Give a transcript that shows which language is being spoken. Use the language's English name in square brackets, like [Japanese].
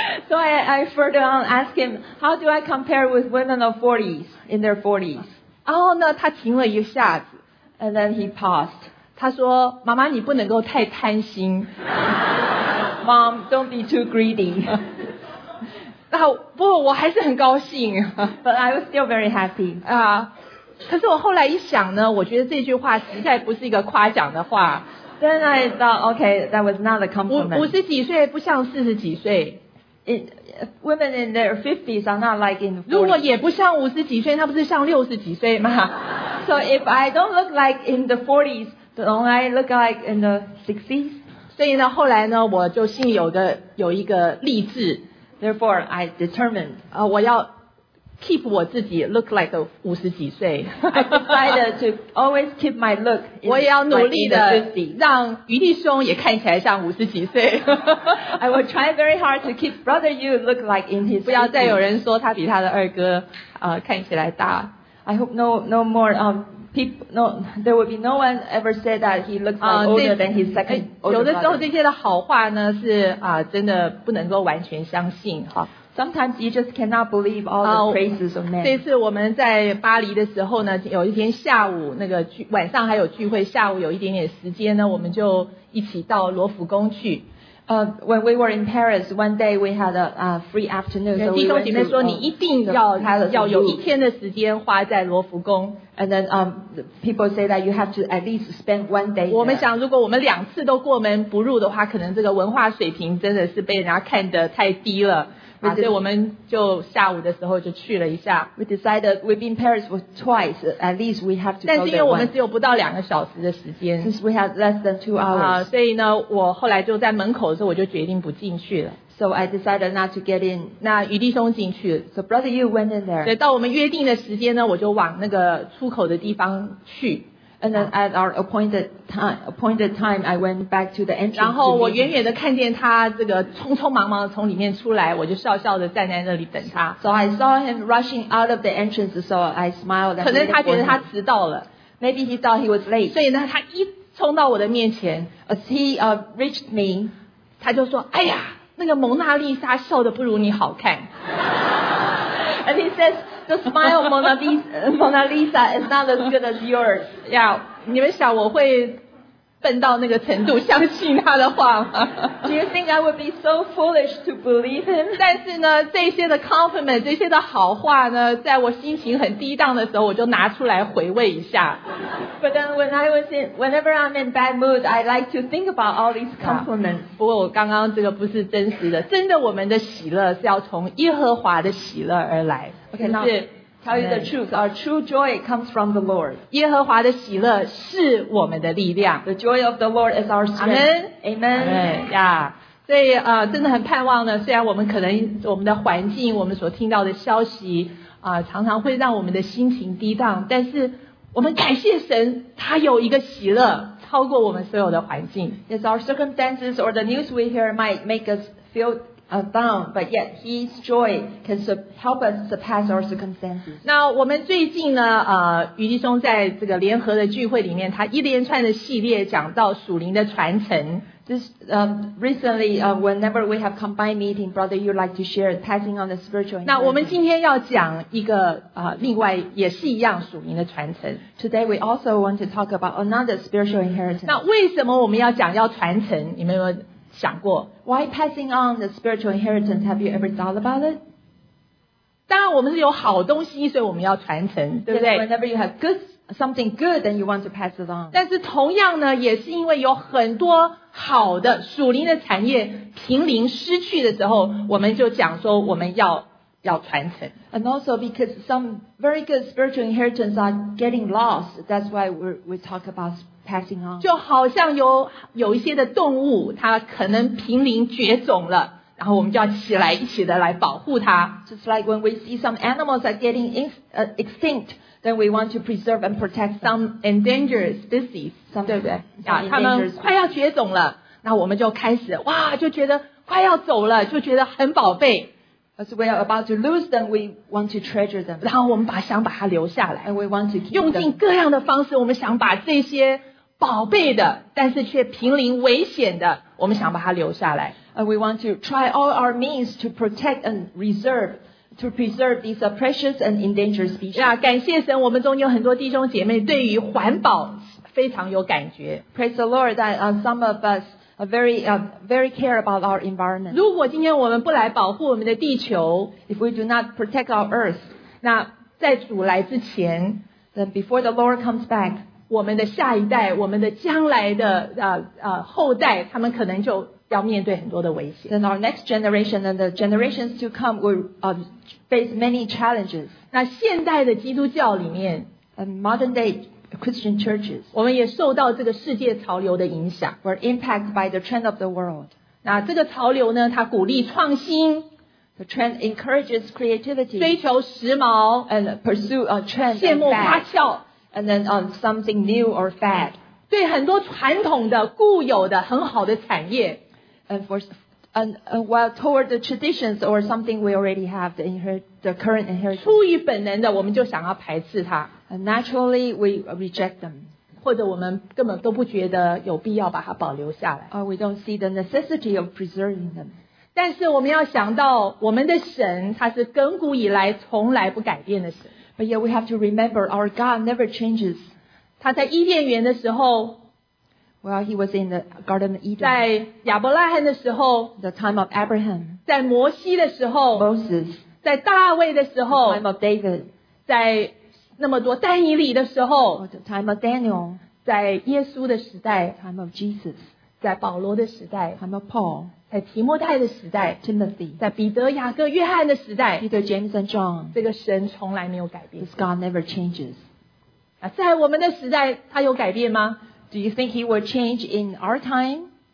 [English] So I further on ask him, how do I compare with women of 40s, in their 40s? [Chinese] 然后呢，他停了一下子。 [English] And then he paused. [Chinese] 他说妈妈你不能够太贪心。 [English] Mom, don't be too greedy. [Chinese] 不过我还是很高兴。 [English] But I was still very happy. [Chinese] 可是我后来一想呢，我觉得这句话实在不是一个夸奖的话。 [English] Then I thought, okay, that was not a compliment. [Chinese] 五十几岁不像四十几岁。 [English] Women in their 50s are not like in 40s. [Chinese] 如果也不像五十几岁，那不是像六十几岁吗？ [English] So if I don't look like in the 40s, don't I look like in the 60s? [Chinese] 所以呢，后来呢，我就心里有一个励志。 [English] Therefore, I determined. [Chinese] 我要 [English] keep [Chinese] 我自己 [English] look like the [Chinese] 五十几岁。 [English] I decided to always keep my look. [Chinese] 我也要努力的让余弟兄也看起来像五十几岁。 [English] I will try very hard to keep Brother Yu look like in his [Chinese] 不要再有人说他比他的二哥看起来大。 [English] I hope no more people. No, there will be no one ever say that he looks like older than his second older brother. [Chinese] 有的时候这些的好话呢是真的不能够完全相信哈。 [English] Sometimes you just cannot believe all the praises of men. [Chinese] 这次我们在巴黎的时候呢，有一天下午那个晚上还有聚会，下午有一点点时间呢，我们就一起到罗浮宫去。 [English] When we were in Paris, one day we had a free afternoon. [Chinese] 弟兄姐妹说你一定要有一天的时间花在罗浮宫。 [English] And then people say that you have to at least spend one day. [Chinese] 我们想如果我们两次都过门不入的话，可能这个文化水平真的是被人家看得太低了。所以我们就下午的时候就去了一下。 [English] We decided we've been Paris for twice. At least we have to. [Chinese] 但是因为我们只有不到两个小时的时间。 [English] Since we have less than 2 hours. [Chinese] 所以呢，我后来就在门口的时候，我就决定不进去了。 [English] So I decided not to get in. [Chinese] 那余弟兄进去。 [English] So Brother Yu went in there. [Chinese] 对，到我们约定的时间呢，我就往那个出口的地方去。 [English] And then at our appointed time, I went back to the entrance. [Chinese] 然后我远远的看见他这个匆匆忙忙的从里面出来，我就笑笑的站在那里等他。 [English] So I saw him rushing out of the entrance, so I smiled. [Chinese] 可能他觉得他迟到了。 [English] Maybe he thought he was late. [Chinese] 所以呢，他一冲到我的面前 [English] ，as he reached me, [Chinese] 他就说：“哎呀，那个蒙娜丽莎笑得不如你好看。” [English] And he says, the smile of Mona Lisa is not as good as yours. Yeah, [Chinese] 你们想我会笨到那个程度相信他的话吗？ [English] Do you think I would be so foolish to believe him? [Chinese] 但是呢，这些的 compliment, 这些的好话呢，在我心情很低档的时候，我就拿出来回味一下。 [English] But then whenever I'm in bad mood, I like to think about all these compliments. [Chinese] 不过我刚刚这个不是真实的，真的我们的喜乐是要从耶和华的喜乐而来。 [English] Okay, now. Tell you the truth, our true joy comes from the Lord. [Chinese] 耶和华的喜乐是我们的力量。 [English] The joy of the Lord is our strength. Amen. Amen. Yeah. [Chinese] 所以真的很盼望呢。虽然我们可能我们的环境，我们所听到的消息常常会让我们的心情低荡，但是我们感谢神，他有一个喜乐超过我们所有的环境。 [English] Yes, our circumstances or the news we hear might make us feel. Down, but yet His joy can help us surpass our circumstances. [Chinese] 那我们最近呢，余弟兄在这个联合的聚会里面，他一连串的系列讲到属灵的传承。 [English] This recently, whenever we have combined meeting, brother, you like to share passing on the spiritual. [Chinese] 那我们今天要讲一个另外也是一样属灵的传承。 [English] Today we also want to talk about another spiritual inheritance. [Chinese] 那为什么我们要讲要传承？你们有没有？想过 [English] Why passing on the spiritual inheritance? Have you ever thought about it? [Chinese] 当然我们是有好东西所以我们要传承对不对 [English] Whenever you have good, something good, then you want to pass it on. [Chinese] 但是同样呢也是因为有很多好的属灵的产业濒临失去的时候我们就讲说我们要传承 [English] And also because some very good spiritual inheritance are getting lost, that's why we talk about passing on. [Chinese] 就好像有一些的动物它可能濒临绝种了然后我们就要起来一起的来保护它 [English] Just like when we see some animals are getting extinct, then we want to preserve and protect some endangered species, some, [Chinese] 对不对 [English] yeah, [Chinese] 它们快要绝种了那我们就开始哇就觉得快要走了就觉得很宝贝 [English] As we are about to lose them, we want to treasure them. [Chinese] 然后我们想把它留下来。 [English] And we want to keep them. [Chinese] 用尽各样的方式，我们想把这些宝贝的，但是却濒临危险的，我们想把它留下来。 [English] And we want to try all our means to protect and reserve, to preserve these precious and endangered species. [Chinese] 呀，感谢神，我们中有很多弟兄姐妹对于环保非常有感觉。 [English] Praise the Lord that some of us. Very care about our environment. [Chinese] 如果今天我们不来保护我们的地球 [English] ，if we do not protect our earth， [Chinese] 那在主来之前 [English] ，then before the Lord comes back， [Chinese] 我们的下一代，我们的将来的后代，他们可能就要面对很多的危险。 [English] Then our next generation and the generations to come will face many challenges. [Chinese] 那现代的基督教里面 [English] ，and modern day。 Christian churches. [Chinese] 我们也受到这个世界潮流的影响 [English] We're impacted by the trend of the world. [Chinese] 那这个潮流呢它鼓励创新 [English] The trend encourages creativity. [Chinese] 追求时髦 [English] And pursue a trend [Chinese] 羡慕花俏 [English] And then something new or fad. [Chinese] 对很多传统的固有的很好的产业 [English] And while toward the traditions or something we already have the current inheritance. [Chinese] 出于本能的我们就想要排斥它 [English] And naturally, we reject them. [Chinese] 或者我们根本都不觉得有必要把它保留下来。 [English] We don't see the necessity of preserving them. [Chinese] 但是我们要想到我们的神他是亘古以来从来不改变的神。 [English] But yet we have to remember our God never changes. [Chinese] 他在伊甸园的时候 [English] Well, he was in the Garden of Eden. [Chinese] 在亚伯拉罕的时候 [English] The time of Abraham. [Chinese] 在摩西的时候 [English] Moses. [Chinese] 在大卫的时候 [English] The time of David. [Chinese] 在那么多但以理的时候 [English] The time of Daniel [Chinese] 在耶稣的时代 [English] The time of Jesus [Chinese] 在保罗的时代 [English] The time of Paul [Chinese] 在提摩太的时代 [English] Timothy [Chinese] 在彼得雅各约翰的时代 [English] Peter James and John [Chinese] 这个神从来没有改变 [English] This God never changes [Chinese] 在我们的时代他有改变吗 [English] Do you think he will change in our time?